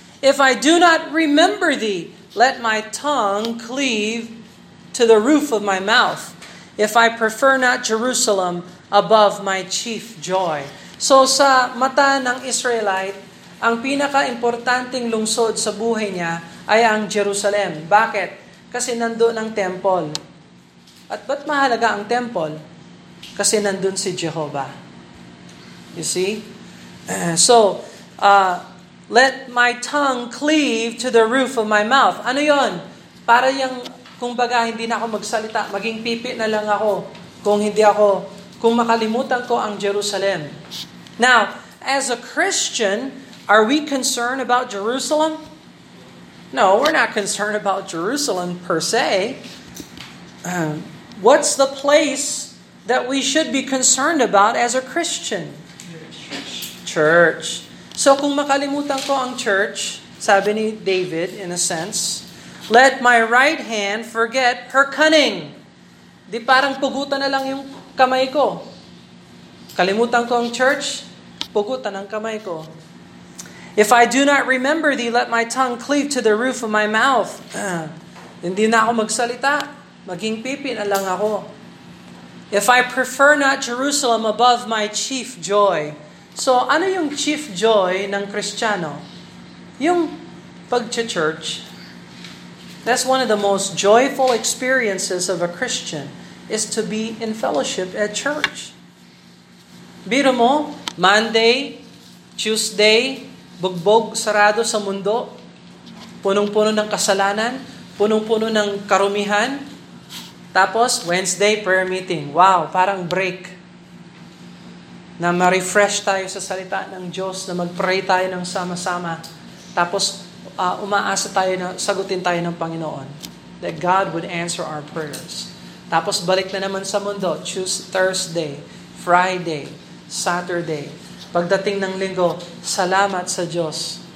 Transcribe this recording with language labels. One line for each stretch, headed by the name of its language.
English: If I do not remember thee, let my tongue cleave to the roof of my mouth. If I prefer not Jerusalem above my chief joy.
Filipino: So sa mata ng Israelite, ang pinaka-importanteng lungsod sa buhay niya ay ang Jerusalem. Bakit? Kasi nandun ang temple. At ba't mahalaga ang temple? Kasi nandun si Jehovah.
English: You see? So, let my tongue cleave to the roof of my mouth.
Filipino: Ano yon? Para yung, kumbaga, hindi na ako magsalita, maging pipi na lang ako kung hindi ako, kung makalimutan ko ang Jerusalem.
English: Now, as a Christian, are we concerned about Jerusalem? No, we're not concerned about Jerusalem per se. What's the place that we should be concerned about as a Christian? Church. So
Filipino: kung makalimutan ko ang church, sabi ni David,
English: in a sense, let my right hand forget her cunning.
Filipino: Di parang pugutan na lang yung kamay ko. Kalimutan ko ang church, pugutan ang kamay ko.
English: If I do not remember thee, let my tongue cleave to the roof of my mouth.
Filipino: Hindi na ako magsalita, maging pipi na lang ako.
English: If I prefer not Jerusalem above my chief joy.
Filipino: So, ano yung chief joy ng Kristiyano? Yung pag-church.
English: That's one of the most joyful experiences of a Christian, is to be in fellowship at church.
Filipino: Biro mo, Monday, Tuesday, bugbog, sarado sa mundo, punong-puno ng kasalanan, punong-puno ng karumihan, tapos Wednesday, prayer meeting. Wow, parang break. Na ma-refresh tayo sa salita ng Diyos, na mag-pray tayo ng sama-sama. Tapos, umaasa tayo na sagutin tayo ng Panginoon.
English: That God would answer our prayers.
Filipino: Tapos, balik na naman sa mundo.
English: Choose Thursday, Friday, Saturday.
Filipino: Pagdating ng Linggo, salamat sa Diyos.